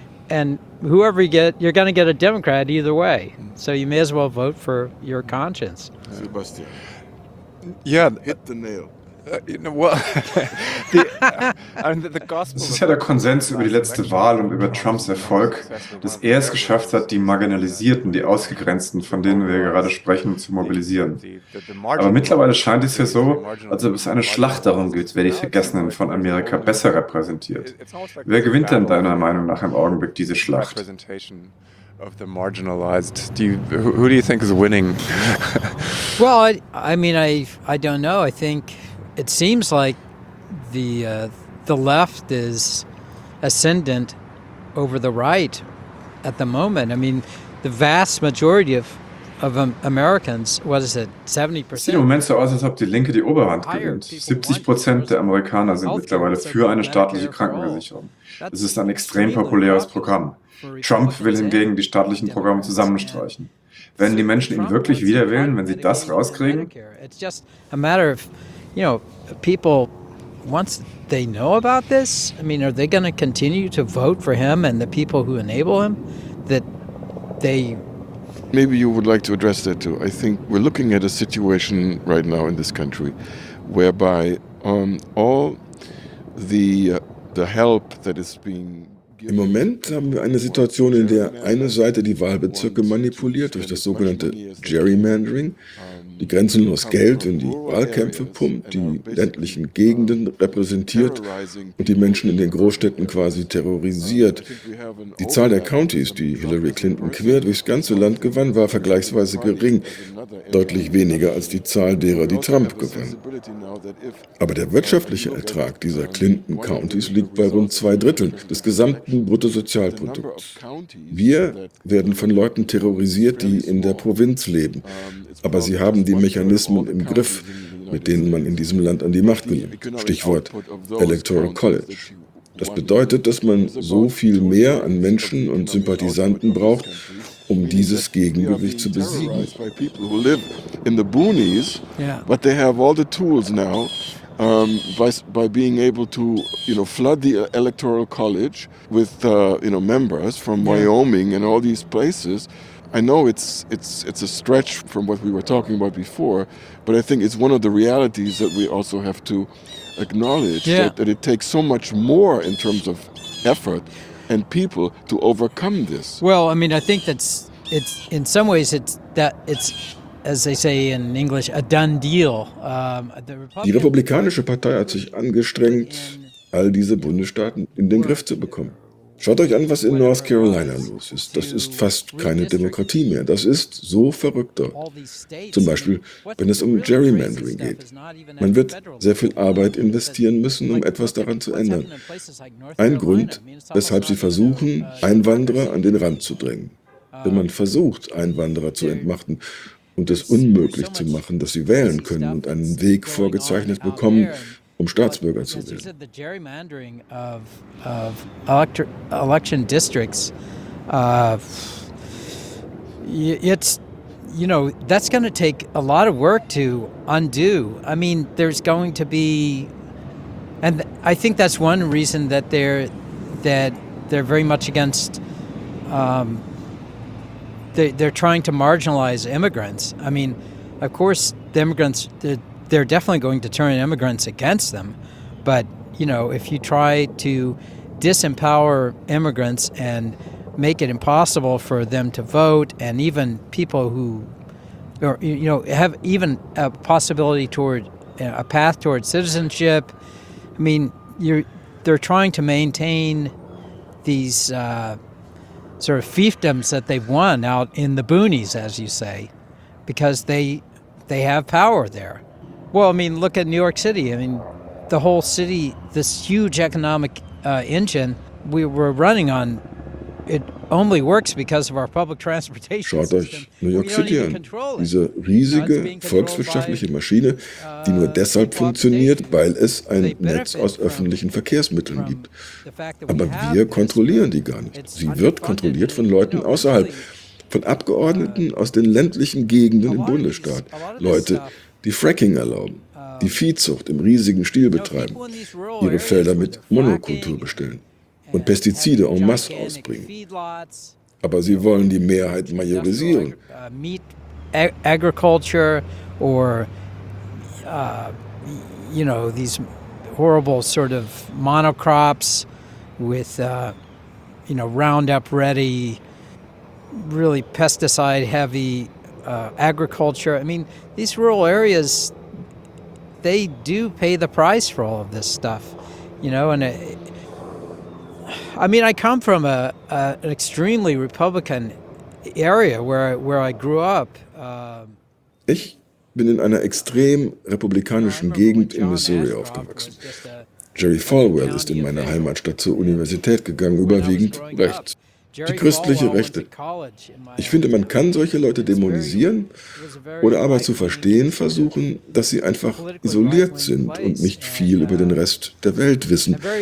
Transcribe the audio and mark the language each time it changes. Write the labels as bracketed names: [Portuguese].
[English] And whoever you get, you're going to get a Democrat either way. So you may as well vote for your conscience. Sebastian. Yeah, hit the nail. [German] Es ist ja der Konsens über die letzte Wahl und über Trumps Erfolg, dass er es geschafft hat, die Marginalisierten, die Ausgegrenzten, von denen wir gerade sprechen, zu mobilisieren. Aber mittlerweile scheint es ja so, als ob es eine Schlacht darum geht, wer die Vergessenen von Amerika besser repräsentiert. Wer gewinnt denn deiner Meinung nach im Augenblick diese Schlacht? [English] Of the marginalized, who do you think is winning? Well, I don't know. I think it seems like the left is ascendant over the right at the moment. I mean, the vast majority of Americans, what is it, 70%? [German] Es sieht im Moment so aus, als ob die Linke die Oberhand gewinnt. 70% der Amerikaner sind mittlerweile für eine staatliche Krankenversicherung. Es ist ein extrem populäres Programm. Trump will hingegen die staatlichen Programme zusammenstreichen. Werden die Menschen ihn wirklich wieder wählen, wenn sie das rauskriegen? [English] It's just a matter of, you know, people, once they know about this, I mean, are they going to continue to vote for him and the people who enable him? That they. Maybe you would like to address that too. I think we're looking at a situation right now in this country, whereby all the help that is being. [German] Im Moment haben wir eine Situation, in der eine Seite die Wahlbezirke manipuliert durch das sogenannte Gerrymandering, die grenzenlos Geld in die Wahlkämpfe pumpt, die ländlichen Gegenden repräsentiert und die Menschen in den Großstädten quasi terrorisiert. Die Zahl der Counties, die Hillary Clinton quer durchs ganze Land gewann, war vergleichsweise gering, deutlich weniger als die Zahl derer, die Trump gewann. Aber der wirtschaftliche Ertrag dieser Clinton-Counties liegt bei rund 2/3 des gesamten Bruttosozialprodukts. Wir werden von Leuten terrorisiert, die in der Provinz leben. Aber sie haben die Mechanismen im Griff, mit denen man in diesem Land an die Macht gelangt. Stichwort Electoral College. Das bedeutet, dass man so viel mehr an Menschen und Sympathisanten braucht, um dieses Gegengewicht zu besiegen. [English] In the boonies, but they have all the tools now, by being able to, you know, flood the Electoral College with, you know, members from Wyoming and all these places. I know it's a stretch from what we were talking about before, but I think it's one of the realities that we also have to acknowledge, that it takes so much more in terms of effort and people to overcome this. Well, I mean, I think that's it's in some ways it's as they say in English, a done deal. [German] Die Republikanische Partei hat sich angestrengt, all diese Bundesstaaten in den Griff zu bekommen. Schaut euch an, was in North Carolina los ist. Das ist fast keine Demokratie mehr. Das ist so verrückt dort. Zum Beispiel, wenn es um Gerrymandering geht. Man wird sehr viel Arbeit investieren müssen, um etwas daran zu ändern. Ein Grund, weshalb sie versuchen, Einwanderer an den Rand zu drängen. Wenn man versucht, Einwanderer zu entmachten und es unmöglich zu machen, dass sie wählen können und einen Weg vorgezeichnet bekommen, um Staatsbürger zu werden. Sie sagten, das Gerrymandering von Elektion-Districts, das wird viel Arbeit brauchen, um zu undoen. Ich meine, es wird... Und ich denke, das ist eine Grund, dass sie sehr stark gegen... [English] They're trying to marginalize immigrants. I mean, of course, the immigrants, they're definitely going to turn immigrants against them. But, you know, if you try to disempower immigrants and make it impossible for them to vote, and even people who, or, you know, have even a possibility toward, you know, a path toward citizenship, I mean, they're trying to maintain these... sort of fiefdoms that they've won out in the boonies, as you say, because they have power there. Well, I mean, look at New York City. I mean, the whole city, this huge economic engine we were running on, it only works because of our public transportation system. [German] Schaut euch New York City an. Diese riesige volkswirtschaftliche Maschine, die nur deshalb funktioniert, weil es ein Netz aus öffentlichen Verkehrsmitteln gibt. Aber wir kontrollieren die gar nicht. Sie wird kontrolliert von Leuten außerhalb, von Abgeordneten aus den ländlichen Gegenden im Bundesstaat. Leute, die Fracking erlauben, die Viehzucht im riesigen Stil betreiben, ihre Felder mit Monokultur bestellen und Pestizide en masse ausbringen. Aber sie wollen die Mehrheit majorisieren. [English] Meat agriculture or you know, these horrible sort of monocrops with you know, Roundup ready, really pesticide heavy agriculture. I mean, these rural areas, they do pay the price for all of this stuff, you know. And I mean, I come from an extremely Republican area where I grew up. [German] Ich bin in einer extrem republikanischen Gegend in Missouri aufgewachsen. Jerry Falwell ist in meiner Heimatstadt zur Universität gegangen, überwiegend rechts. Die christliche Rechte. Ich finde, man kann solche Leute dämonisieren oder aber zu verstehen versuchen, dass sie einfach isoliert sind und nicht viel über den Rest der Welt wissen.